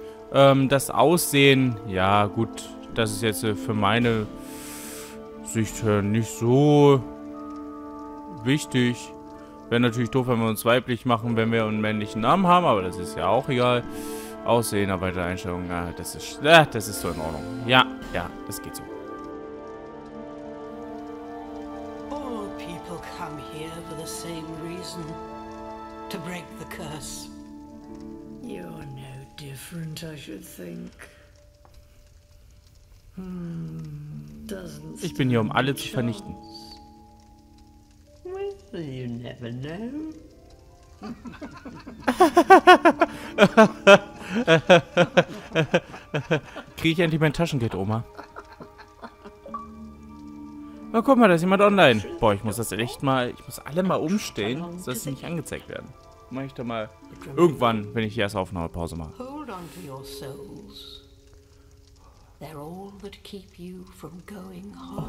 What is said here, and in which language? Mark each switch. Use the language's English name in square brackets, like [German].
[German] Das Aussehen, ja gut, das ist jetzt für meine Sicht nicht so wichtig. Wäre natürlich doof, wenn wir uns weiblich machen, wenn wir einen männlichen Namen haben, aber das ist ja auch egal. Aussehen, aber Einstellung, das ist so in Ordnung. Ja, ja, das geht so. [English] All people come here for the same reason. To break the curse. You're no different, I should think. [German] Ich bin hier, um alle zu vernichten. [English] Well, you never know. [German] Kriege ich endlich mein Taschengeld, Oma? Na, guck mal, da ist jemand online. Boah, ich muss das echt mal. Ich muss alle mal umstellen, sodass sie nicht angezeigt werden. Mach ich da mal irgendwann, wenn ich die erste Aufnahmepause mache. [English] Hold on to your souls. They're all that keep you from going home.